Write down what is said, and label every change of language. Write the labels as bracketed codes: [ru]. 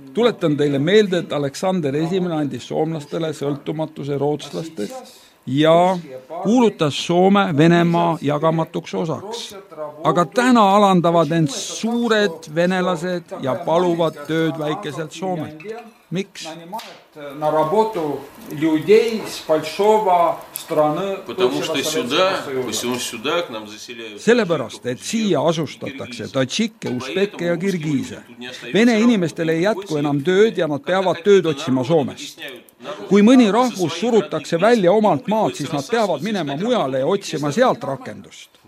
[et] Tuletan teile meelde, et Aleksander I andis soomlastele sõltumatuse rootslastest ja kuulutas Soome Venemaa jagamatuks osaks. Aga täna alandavad end suured venelased ja paluvad tööd väikeselt Soomet. Miks? [ru] На работу людей с большого страны. Потому что сюда, сюда к нам заселяют. [et] Sellepärast, et siia asustatakse tadžikke, usbeke ja kirgiise. Vene inimestele ei jätku enam tööd ja nad peavad tööd otsima Soomest. Kui mõni rahvus surutakse välja omalt maalt, siis nad peavad minema mujale ja otsima sealt rakendust.